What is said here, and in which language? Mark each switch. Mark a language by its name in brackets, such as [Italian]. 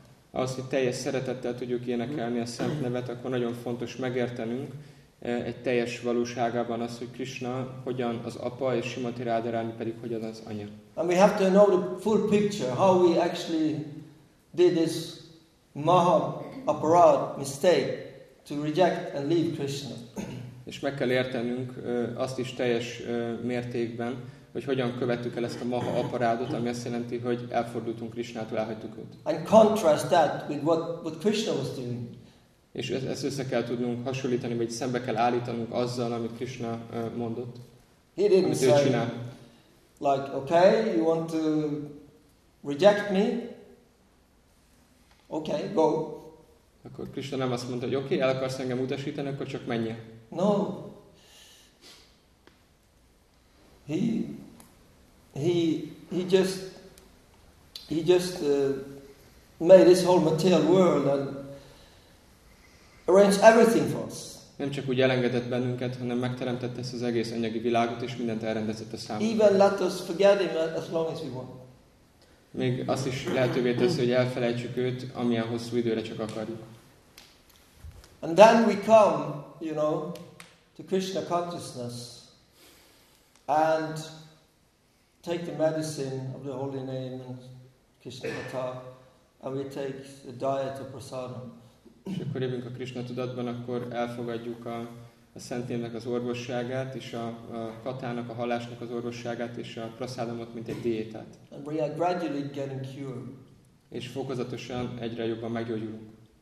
[Hungarian] Ahhoz, hogy teljes szeretettel tudjuk énekelni a szent nevet, akkor nagyon fontos megértenünk egy teljes valóságában azt, hogy Krishna hogyan az apa és Srimati Radharani pedig hogyan az anya. [English] And we have to know the full picture, how we actually did this maha aparad mistake to reject and leave Krishna. [Hungarian] És meg kell értenünk azt is teljes mértékben, hogy hogyan követtük el ezt a maha aparádot, ami azt jelenti, hogy elfordultunk Krishnától, elhagytuk őt. [English] And contrast that with what Krishna was doing. [Hungarian] És ezt össze kell tudnunk hasonlítani, vagy szembe kell állítanunk azzal, amit Krishna mondott. [English] He didn't say, like, okay, you want to reject me? Okay, go. [Hungarian] Akkor Krishna nem azt mondta, hogy okay, el akarsz engem utasítani, akkor csak menje. [English] No. He just made this whole material world and arranged everything for us. [Hungarian] Nem csak úgy elengedett bennünket, hanem megteremtette ezt az egész anyagi világot, és mindent elrendezett a számunkra. [English] Even let us forget him as long as we want. [Hungarian] Még azt is lehetővé teszi, hogy elfelejtsük őt, amilyen hosszú időre csak akarjuk. [English] And then we come, you know, to Krishna consciousness and take the medicine of the holy name and Krishna Kata, and we take the diet of prasadam. [Hungarian] És akkor jövünk a Krishna tudatban, akkor elfogadjuk a szentélynek az orvosságát, és a katának, a hallásnak az orvosságát, és a prasadamot, mint egy diétát. [English] And we are gradually getting cured. [Hungarian] És fokozatosan egyre jobban meggyógyulunk.